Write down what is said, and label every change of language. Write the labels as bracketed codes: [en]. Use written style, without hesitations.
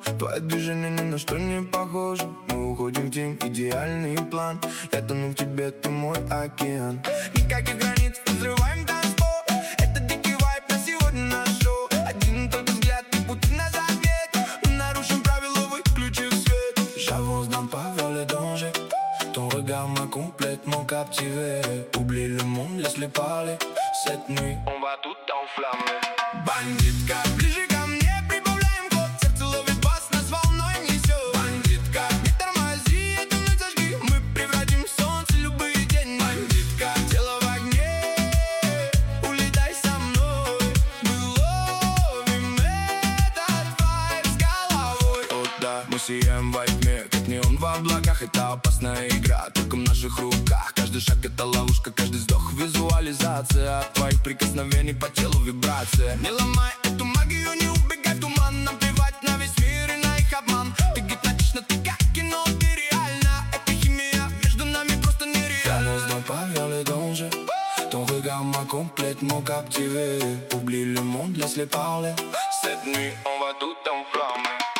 [ru] Твое движение ни на что не похоже. Мы уходим в тень, идеальный план. Я тону в тебе, ты мой океан. Никаких границ, взрываем танцпол. Это дикий вайб на сегодня наш шоу. Один только взгляд, и пути на завет. Мы нарушим правила, выключим свет. [fr] J'avance dans pas vers le danger. Ton regard m'a complètement captivé. Oublie le monde, laisse-les parler. Cette nuit, on va tout enflammer. [ru] Бандитка, ближе ко мне, прибавляем ход. Сердце ловит бас, нас волной несет. Бандитка, не тормози, эту ночь зажги. Мы превратим в солнце любые тени. Бандитка, тело в огне, улетай со мной. Мы ловим этот вайб с головой. О да, мы сияем во тьме, как неон в облаках. Это опасная игра, только в наших руках. Каждый шаг — это ловушка, каждый вздох — визуализация. От твоих прикосновений по телу вибрация. Не ломай эту магию, не убегай в туман. Нам плевать на весь мир и на их обман. Ты гипнотична, ты как кино, ты реальна. Эта химия между нами просто нереальна. Я вновь повел и должен. [fr] Ton regard m'a complètement captivé. Oublie le monde, laisse-les parler. Cette nuit, on va tout enflammer.